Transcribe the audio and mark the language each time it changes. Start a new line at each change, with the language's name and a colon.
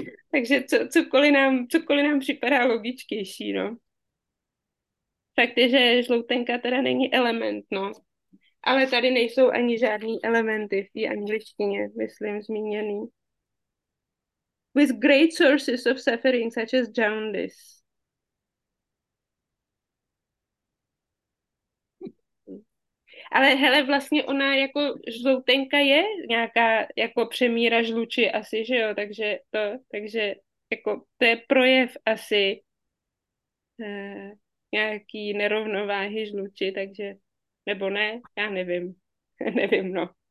Czech: Takže cokoliv nám připadá logičtější, no. Fakt je, že žloutenka teda není element, no. Ale tady nejsou ani žádný elementy v té angličtině, myslím, zmíněný.
English: With great sources of suffering, such as jaundice.
Czech: Ale hele, vlastně ona jako žloutenka je nějaká jako přemíra žluči asi, že jo? Takže jako to je projev asi nějaký nerovnováhy žluči, takže nebo ne, já nevím. Nevím, no.